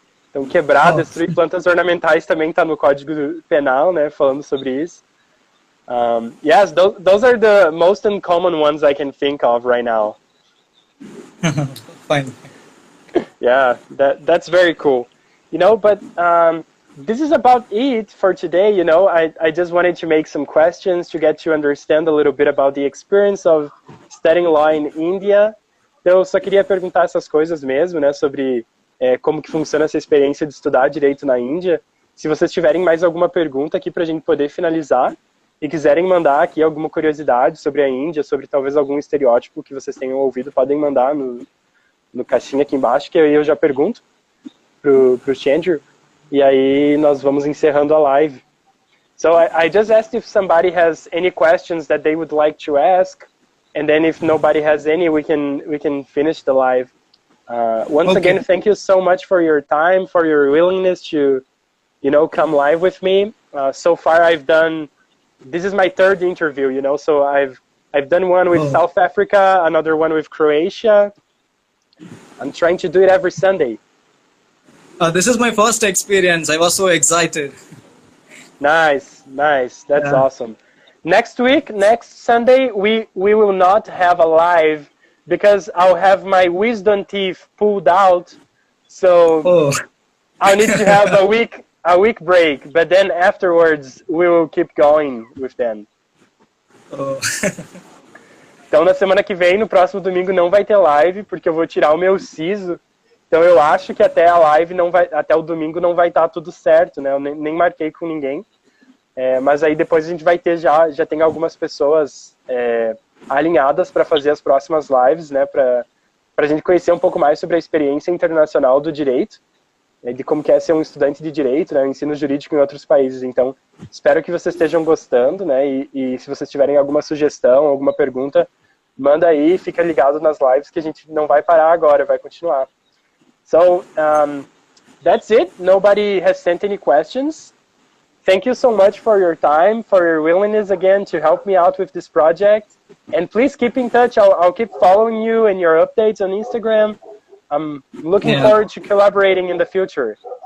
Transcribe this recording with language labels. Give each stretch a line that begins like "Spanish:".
Portuguese: Então quebrar, destruir plantas ornamentais também está no código penal, né? Falando sobre isso.
English: Yes, those are the most uncommon ones I can think of right now. Fine. Yeah, that's very cool. You know, but this is about it for today, you know. I just wanted to make some questions to get to understand a little bit about the experience of studying law in India.
Portuguese: Então, eu só queria perguntar essas coisas mesmo, né, sobre como que funciona essa experiência de estudar direito na Índia. Se vocês tiverem mais alguma pergunta aqui pra gente poder finalizar, e quiserem mandar aqui alguma curiosidade sobre a Índia, sobre talvez algum estereótipo que vocês tenham ouvido, podem mandar no caixinha aqui embaixo, que aí eu já pergunto pro Chandru, e aí nós vamos encerrando a live.
English: So I just asked if somebody has any questions that they would like to ask, and then if nobody has any, we can finish the live. Once again, thank you so much for your time, for your willingness to, you know, come live with me. So far I've done... This is my third interview, you know, so I've done one with South Africa, another one with Croatia. I'm trying to do it every Sunday. This is my first experience. I was so excited. Nice. That's awesome. Next week, next Sunday, we will not have a live because I'll have my wisdom teeth pulled out. So I need to have a week break, but then afterwards we will keep going with them.
Portuguese: Então na semana que vem, no próximo domingo, não vai ter live, porque eu vou tirar o meu siso. Então eu acho que até a live não vai, até o domingo não vai estar tudo certo, né? Eu nem marquei com ninguém. É, mas aí depois a gente vai ter já tem algumas pessoas alinhadas para fazer as próximas lives, né? Para a gente conhecer um pouco mais sobre a experiência internacional do direito, de como que é ser um estudante de direito, né, ensino jurídico em outros países. Então, espero que vocês estejam gostando, né, e se vocês tiverem alguma sugestão, alguma pergunta, manda aí, fica ligado nas lives, que a gente não vai parar agora, vai continuar.
English: So, that's it. Nobody has sent any questions. Thank you so much for your time, for your willingness again to help me out with this project. And please keep in touch. I'll keep following you and your updates on Instagram. I'm looking forward to collaborating in the future.